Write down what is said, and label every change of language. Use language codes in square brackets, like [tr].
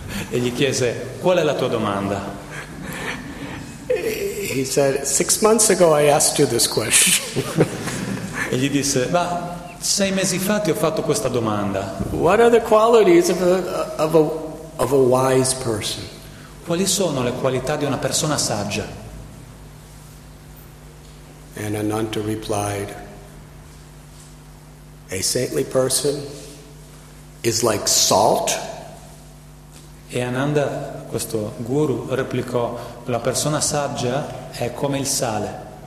[it] E gli chiese, "Qual è la tua domanda?" [en] He said, "6 months ago I asked you this question." [it] E gli disse, "Ma 6 mesi fa ti ho fatto questa domanda." [en] "What are the qualities of a wise person?" [it] Quali sono le qualità di una persona saggia? [en] And Ananta replied, "A saintly person is like salt." [it] E Ananda, questo guru, replicò: la persona saggia è come il sale.